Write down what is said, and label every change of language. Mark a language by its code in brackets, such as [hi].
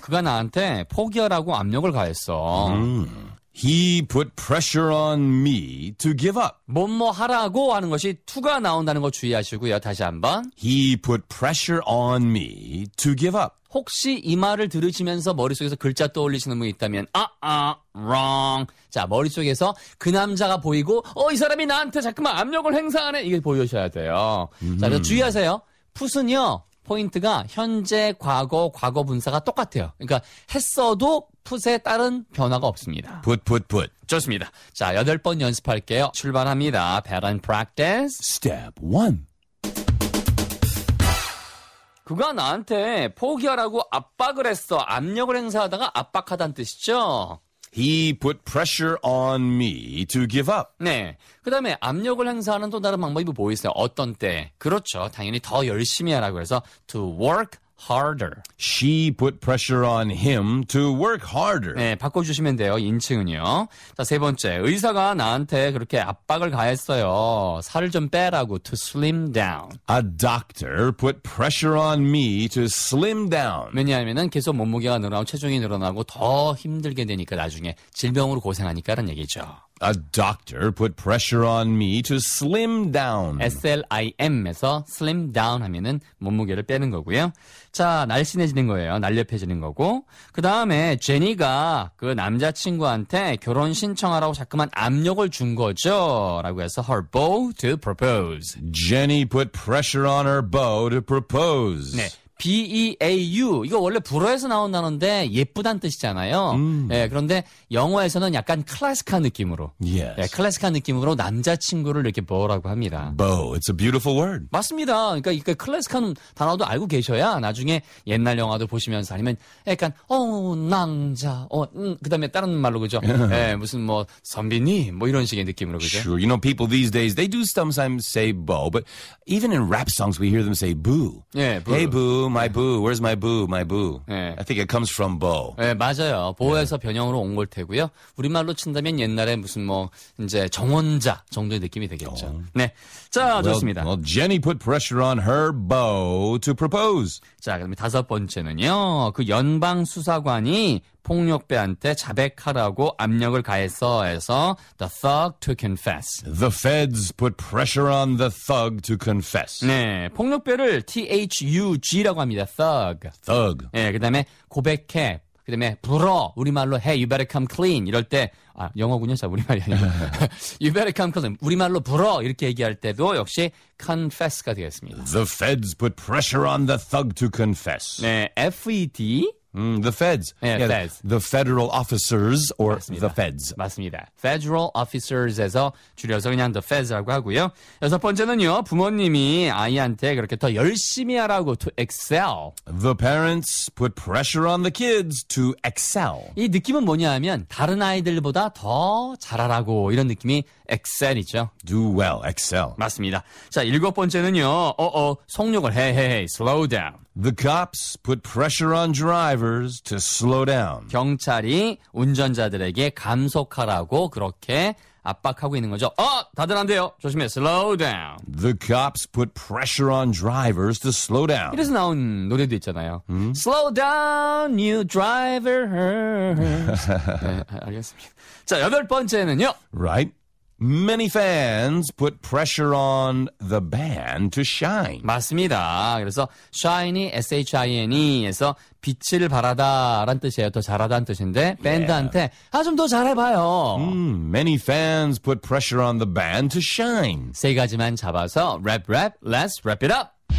[ko] 그가 나한테 포기하라고 압력을 가했어. [en] He put pressure on me to give up. [ko] 뭐뭐 하라고 하는 것이 to가 나온다는 거 주의하시고요. 다시 한번. [en] He put pressure on me to give up. [ko] 혹시 이 말을 들으시면서 머릿속에서 글자 떠올리시는 분이 있다면 wrong. 자, 머릿속에서 그 남자가 보이고 이 사람이 나한테 자꾸만 압력을 행사하네. 이게 보이셔야 돼요. 자, 그래서 주의하세요. put은요. 포인트가 현재, 과거, 과거 분사가 똑같아요. 그러니까 했어도 put에 따른 변화가 없습니다. [en] put. [ko] 좋습니다. 자, 여덟 번 연습할게요. 출발합니다. [en] Bad and practice. Step 1. [ko] 그가 나한테 포기하라고 압박을 했어. 압력을 행사하다가 압박하다는 뜻이죠. [en] He put pressure on me to give up. [ko] 네. 그 다음에 압력을 행사하는 또 다른 방법이 뭐 있어요? 어떤 때? 그렇죠. 당연히 더 열심히 하라고 해서 [en] to work harder. She put pressure on him to work harder. [ko] 네. 바꿔주시면 돼요. 인칭은요. 자, 세 번째. 의사가 나한테 그렇게 압박을 가했어요. 살을 좀 빼라고 [en] to slim down. A doctor put pressure on me to slim down. [ko] 왜냐하면 계속 몸무게가 늘어나고 체중이 늘어나고 더 힘들게 되니까 나중에 질병으로 고생하니까라는 얘기죠. [en] A doctor put pressure on me to slim down. [ko] S-L-I-M에서 slim down 하면은 몸무게를 빼는 거고요. 자, 날씬해지는 거예요. 날렵해지는 거고. 그 다음에 제니가 그 남자친구한테 결혼 신청하라고 자꾸만 압력을 준 거죠. 라고 해서 [en] her beau to propose. Jenny put pressure on her beau to propose. [ko] 네. B-E-A-U. 이거 원래 불어에서 나온다는데 예쁘단 뜻이잖아요. 예, 그런데 영어에서는 약간 클래식한 느낌으로. [en] Yes. [ko] 예, 클래식한 느낌으로 남자친구를 이렇게 beau라고 합니다. [en] Beau. It's a beautiful word. [ko] 맞습니다. 그러니까 클래식한 단어도 알고 계셔야 나중에 옛날 영화도 보시면서 아니면 약간 남자. 그 다음에 다른 말로 그죠? 예, 무슨 뭐 선비님 뭐 이런 식의 느낌으로 그죠? [en] Sure. You know people these days they do sometimes say beau but even in rap songs we hear them say boo. [ko] 예, boo. [en] Hey boo. My boo. Where's my boo? My boo. 네. I think it comes from beau. [ko] 네, 맞아요. 보호에서 네. 변형으로 온 걸 테고요. 우리말로 친다면 옛날에 무슨 뭐 이제 정원자 정도의 느낌이 되겠죠. 네. 자, [en] well, [ko] 좋습니다. [en] Well, Jenny put pressure on her beau to propose. [ko] 자, 그럼 다섯 번째는요. 그 연방 수사관이 폭력배한테 자백하라고 압력을 가했어 해서 [en] the thug to confess. The feds put pressure on the thug to confess. [ko] 네, 폭력배를 thug라고 합니다. [en] Thug. Thug. [ko] 네, 그 다음에 고백해. 그 다음에 불어. 우리말로 [en] hey, you better come clean. [ko] 이럴 때 영어군요. 자, 우리말이 아니고 [en] you better come clean. [ko] 우리말로 불어. 이렇게 얘기할 때도 역시 confess가 되겠습니다. [en] The feds put pressure on the thug to confess. [ko] 네, F-E-D. [en] The feds. 네, yeah, feds. The federal officers or [ko] 맞습니다. [en] The feds. [ko] 맞습니다. Federal officers에서 줄여서 그냥 the feds라고 하고요. 여섯 번째는요. 부모님이 아이한테 그렇게 더 열심히 하라고 [en] to excel. The parents put pressure on the kids to excel. [ko] 이 느낌은 뭐냐 하면 다른 아이들보다 더 잘하라고 이런 느낌이 excel이죠. [en] Do well, excel. [ko] 맞습니다. 자, 일곱 번째는요. 속력을 [en] hey, slow down. The cops put pressure on drivers to slow down. [ko] 경찰이 운전자들에게 감속하라고 그렇게 압박하고 있는 거죠. 다들 안 돼요. 조심해. [en] Slow down. The cops put pressure on drivers to slow down. [ko] 이래서 나온 노래도 있잖아요. Mm? [en] Slow down, you driver. [ko] 네, 알겠습니다. 자, 여덟 번째는요. [en] Right. Many fans put pressure on the band to shine. [ko] 맞습니다. 그래서 shine, S-H-I-N-E에서 빛을 발하다라는 뜻이에요. 더 잘하다는 뜻인데 밴드한테 yeah. 좀 더 잘해봐요. [en] Many fans put pressure on the band to shine. [ko] 세 가지만 잡아서 랩, [en] let's wrap it up.